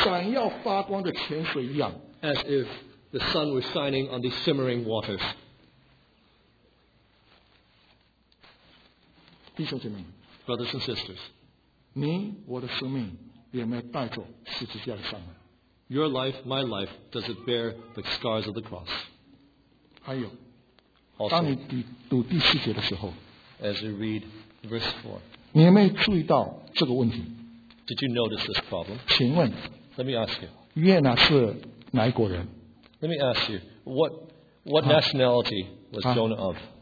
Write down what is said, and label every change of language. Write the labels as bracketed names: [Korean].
[Chinese] 好像在阳光之下闪耀发光的泉水一样。 [English] As if the sun was shining on these shimmering waters. [Chinese] 弟兄姐妹, [English] brothers and sisters, [Chinese] 你我的生命有没有带着十字架的伤痕? [English] Your life, my life, does it bear the scars of the cross? [Chinese] 还有, [English] also, [Chinese] 当你读第四节的时候, [English] as you read verse 4, [Chinese] 你有没有注意到这个问题? [English] Did you notice this problem? [Chinese] 请问, [English] let me ask you, [Chinese] 约拿是哪一国人? [English] Let me ask you, what nationality was Jonah of?